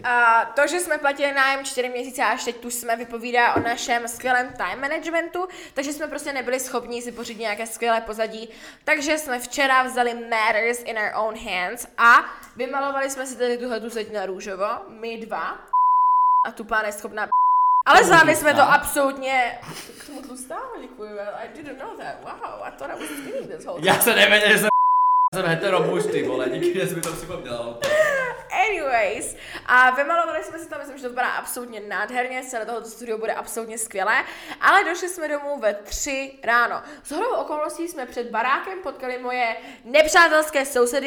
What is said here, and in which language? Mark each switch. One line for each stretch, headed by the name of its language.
Czech: A to, že jsme platili nájem 4 měsíce a až teď tu jsme, vypovídá o našem skvělém time managementu, takže jsme prostě nebyli schopni si pořídit nějaké skvělé pozadí, takže jsme včera vzali
English: matters in our own hands
Czech: a vymalovali jsme si tady tuhletu zeď na růžovo, my dva a tu pán je schopná. Ale zvládli jsme to absolutně... K tomu tlustávali, děkuji,
English: I didn't know that, wow, I thought I was skinny this whole time.
Czech: Já se nevěděl, že jsem hetero muž, ty vole, díky, že jsi mi to připomněl.
English: Ej, anyways.
Czech: A vymalovali jsme si to, myslím, že to bude absolutně nádherně, celé tohoto studio bude absolutně skvělé, ale došli jsme domů ve 3 ráno. Z hodou okolností jsme před barákem potkali moje nepřátelské sousedy.